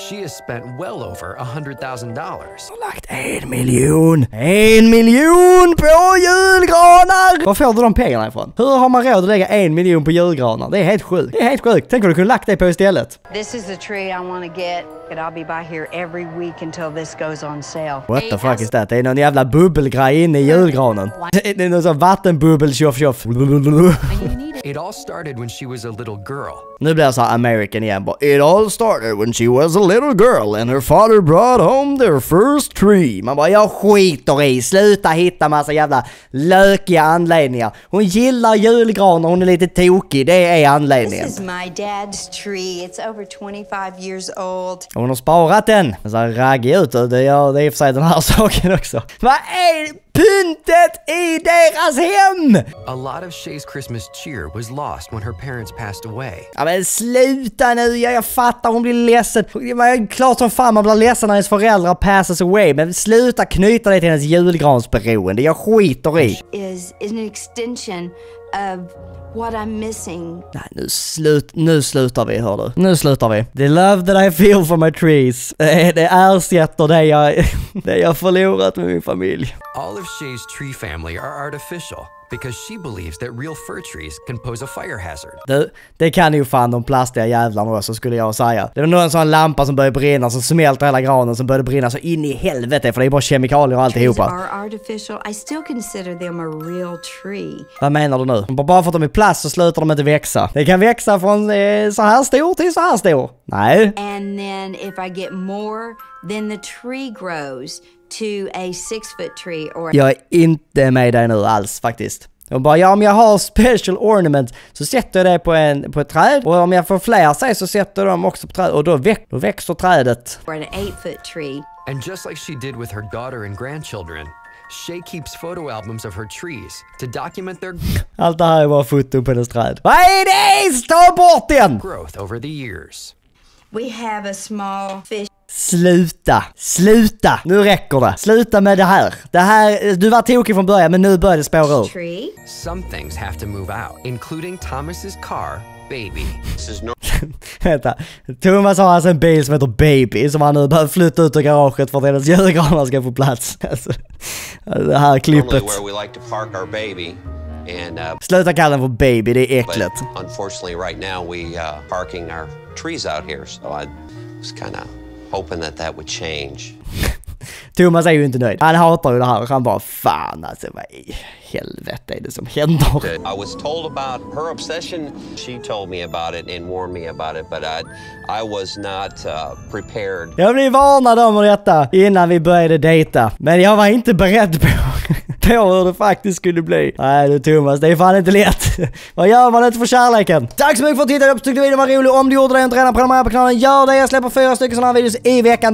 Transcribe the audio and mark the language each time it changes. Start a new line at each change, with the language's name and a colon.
English: She has spent well over $100,000.
Swedish: Hon har lagt 1 miljon! 1 miljon på julgranar! Var får du de pengarna ifrån? Hur har man råd att lägga 1 miljon på julgranar? Det är helt sjukt. Det är helt sjukt. Tänk om du kunde lagt det på istället.
English: This is the tree I want to get. And I'll be by here every week until this goes on sale. What the fuck is that?
Swedish: Det är någon jävla bubbelgrej inne i julgranen. Det är någon sån vattenbubbel, tjoff tjoff.
English: It all started when she was a little girl.
Swedish: Nu blir jag så här American igen.
English: It all started when she was a little girl and her father brought home their first tree.
Swedish: Man bara, jag skiter i. Sluta hitta massa jävla lökiga anledningar. Hon gillar julgran och hon är lite tokig. Det är anledningen.
English: This is my dad's tree. It's over 25 years old.
Swedish: Och hon har sparat den. Så här raggig ut. Det är i och för sig den här saken också. Vad är pyntet i deras hem?
English: A lot of Shay's Christmas cheer was lost when her parents passed away.
Swedish: Ja, men sluta nu, jag fattar hon blir ledsen. Det är klart som fan man blir ledsen när hennes föräldrar
English: passes away.
Swedish: Men sluta knyta det till hennes julgransberoende, jag skiter i.
English: Is an extension of what I'm missing.
Swedish: Nej, nu slutar vi, hör du. Nu slutar vi.
English: The love that I feel for my trees.
Swedish: Det ersätter det jag förlorat med min familj.
English: All of Shay's tree family are artificial. Because she believes that real fir trees can pose a fire hazard.
Swedish: Det kan ju fan de plastiga jävlarna också, skulle jag säga. Det är nog en sån lampa som börjar brinna, som smälter hela granen, som börjar brinna så in i helvete, för det är bara kemikalier och alltihopa.
English: Trees are artificial. I still consider them a real tree.
Swedish: Vad menar du nu? Bara för att de är plast så slutar de inte växa. Det kan växa från så här stor till så här stor. Nej.
English: And then if I get more, then the tree grows to a 6-foot tree or...
Swedish: Jag är inte med dig nu alls faktiskt. Och bara, ja, om jag har
English: special ornament
Swedish: så sätter jag det på ett träd, och om jag får fler sig så sätter de också på träd, och då växer trädet.
English: Or an 8-foot tree. And just like she did with her daughter and grandchildren, Shay keeps photo albums of her trees to document their...
Swedish: Allt det här är bara foto på hennes träd. Vad är det? Stå bort igen!
English: Growth over the years. We have a small fish.
Swedish: Sluta. Nu räcker det. Sluta med det här. Det här, du var tokig från början, men nu börjar det spåra ur.
English: Some things have to move out, including Thomas's car, baby. This is no.
Swedish: Vänta. Thomas har alltså en bil som heter Baby, som han nu behöver flytta ut ur garaget för att hennes julgranar ska få plats. Det här klippet.
English: Where we like to park our baby. And,
Swedish: sluta kalla den för baby, det är äckligt.
English: Unfortunately right now we parking our trees out here, so I was kind of hoping that would change.
Swedish: Thomas är ju inte nöjd. Han hatar ju det här. Han bara, fan alltså, vad i helvete är det som händer?
English: I was told about her obsession. She told me about it and warned me about it, but I was not prepared.
Swedish: Jag blev varnad om detta innan vi började dejta, men jag var inte beredd på hur det faktiskt skulle bli. Nej du Thomas, det är fan inte lätt. Vad gör man inte för kärleken? Tack så mycket för att titta. Jag tyckte videon var rolig. Om du gjorde det och inte redan prenumerera på kanalen, gör det. Jag släpper 4 stycken sådana videos i veckan.